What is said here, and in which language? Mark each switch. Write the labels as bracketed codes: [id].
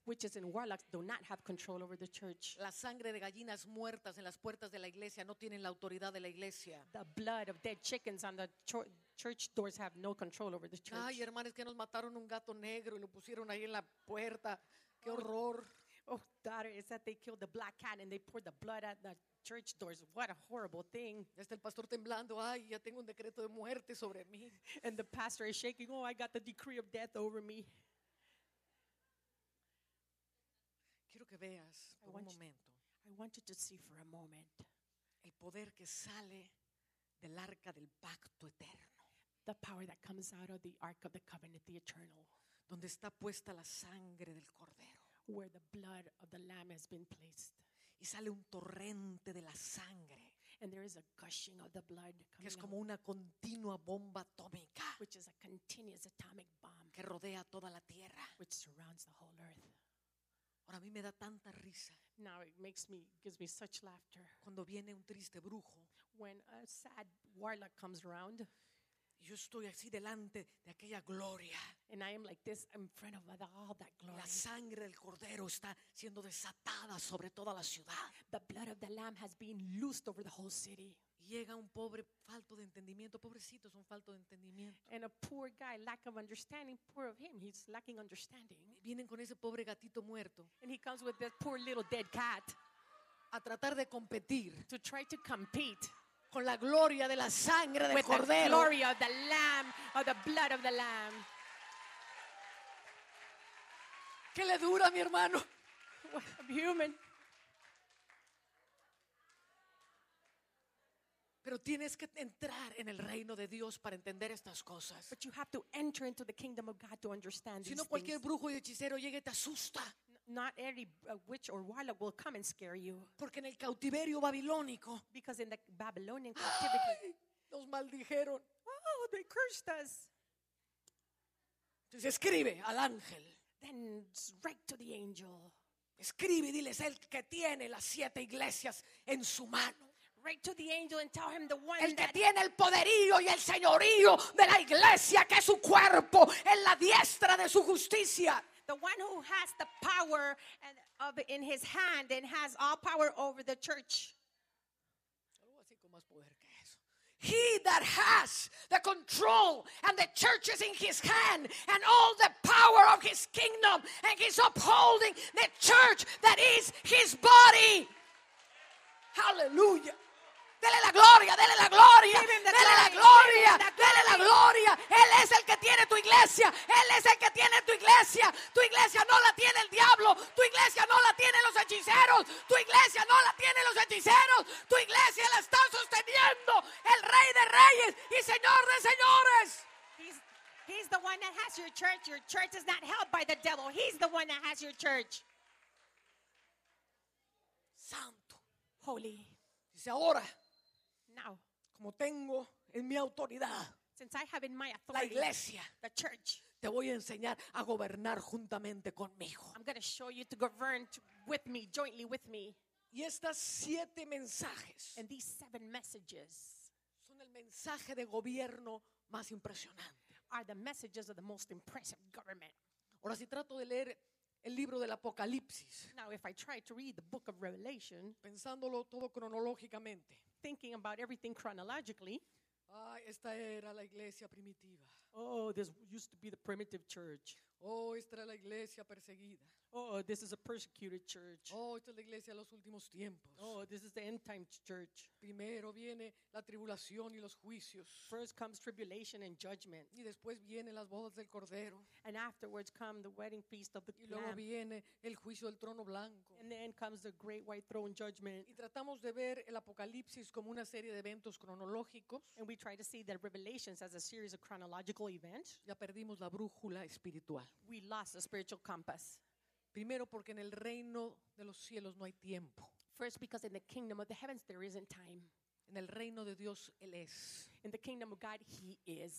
[en] Witches and warlocks do not have control over the church. [es] La sangre de gallinas muertas en las puertas de la iglesia no tienen la autoridad de la iglesia. [en] The blood of dead chickens on the church doors have no control over the church. [es] Ay, hermanos, que nos mataron un gato negro y lo pusieron ahí en la puerta. Qué horror. [en] Oh, daughter, it's that they killed the black cat and they poured the blood at the church doors. What a horrible thing. [es] Está el pastor temblando. Ay, ya tengo un decreto de muerte sobre mí. [en] And the pastor is shaking. Oh, I got the decree of death over me. [es] Quiero que veas por un momento. [en] I want you to see for a moment. [es] El poder que sale del arca del pacto eterno. [en] The power that comes out of the Ark of the Covenant, the Eternal. [es] Donde está puesta la sangre del Cordero. [en] Where the blood of the Lamb has been placed. [es] Y sale un torrente de la sangre. [en] And there is a gushing of the blood coming. [es] Que es como una continua bomba atómica. [en] Which is a continuous atomic bomb. [es] Que rodea toda la tierra. [en] Which surrounds the whole earth. [es] Ahora a mí me da tanta risa. [en] Now it gives me such laughter. [es] Cuando viene un triste brujo. [en] When a sad warlock comes around. [es] Yo estoy así delante de aquella gloria. [en] And I am like this in front of all that glory. [es] La sangre del Cordero está siendo desatada sobre toda la ciudad. [en] The blood of the Lamb has been loosed over the whole city. [es] Llega un pobre falto de entendimiento. Pobrecito, es un falto de entendimiento. [en] And a poor guy, lack of understanding. Poor of him, he's lacking understanding. [es] Vienen con ese pobre gatito muerto. [en] And he comes with this poor little dead cat. [es] A tratar de competir. [en] To try to compete. [es] Con la gloria de la sangre del Cordero. [en] The glory of the Lamb, of the blood of the Lamb. [es] ¿Qué le dura, mi hermano? [en] I'm human. [es] Pero tienes que entrar en el reino de Dios para entender estas cosas. [en] But you have to enter into the kingdom of God to understand these things. [es] Si no, cualquier brujo y hechicero llegue y te asusta. [en] Not every witch or warlock will come and scare you. [es] Porque en el cautiverio babilónico. [en] Because in the Babylonian captivity. [es] ¡Ay! Nos maldijeron. [en] Oh, they cursed us. [es] Entonces escribe al ángel. [en] Then write to the angel. [es] Escribe y diles el que tiene las siete iglesias en su mano. [en] Write to the angel and tell him the one [es] el que tiene el poderío y el señorío de la iglesia, que es su cuerpo en la diestra de su justicia. [en] The one who has the power and of in his hand and has all power over the church. [es] Algo así con más poder que eso. [en] He that has the control and the church is in his hand and all the power of his kingdom, and he's upholding the church that is his body. [es] Hallelujah. Dele la gloria, dele la gloria, dele la gloria, dele la gloria. Él es el que tiene tu iglesia, Él es el que tiene tu iglesia. Tu iglesia no la tiene el diablo, tu iglesia no la tiene los hechiceros, tu iglesia no la tiene los hechiceros, tu iglesia la está sosteniendo el Rey de Reyes y Señor de Señores. [en] He's the one that has your church. Your church is not held by the devil. He's the one that has your church. [es] Santo. [en] Holy. [es] Dice ahora. [en] Now, [es] como tengo en mi autoridad, [en] since I have in my authority, [es] la iglesia, [en] the church, [es] te voy a enseñar a gobernar juntamente conmigo. [en] I'm going to show you to govern with me, jointly with me. [es] Y estas siete mensajes, [en] and these seven messages, [es] son el mensaje de gobierno más impresionante. [en] Are the messages of the most impressive government. [es] Ahora, si trato de leer el libro del Apocalipsis, [en] now if I try to read the book of Revelation, [es] pensándolo todo cronológicamente, [en] thinking about everything chronologically, [es] ah, esta era la iglesia primitiva. [en] Oh, this used to be the primitive church. [es] Oh, esta era la iglesia perseguida. [en] Oh, this is a persecuted church. [es] Oh, esta es la iglesia de los últimos tiempos. [en] Oh, this is the end time church. [es] Primero viene la tribulación y los juicios. [en] First comes tribulation and judgment. [es] Y después vienen las bodas del cordero. [en] And afterwards come the wedding feast of the lamb. [es] Y luego viene el juicio del trono blanco. [en] And then comes the great white throne judgment. [es] Y tratamos de ver el Apocalipsis como una serie de eventos cronológicos. [en] And we try to see the Revelations as a series of chronological events. [es] Ya perdimos la brújula espiritual. [en] We lost the spiritual compass. [es] Primero, porque en el reino de los cielos no hay tiempo. [en] First, because in the kingdom of the heavens there isn't time. [es] En el reino de Dios, Él es. [en] In the kingdom of God, He is.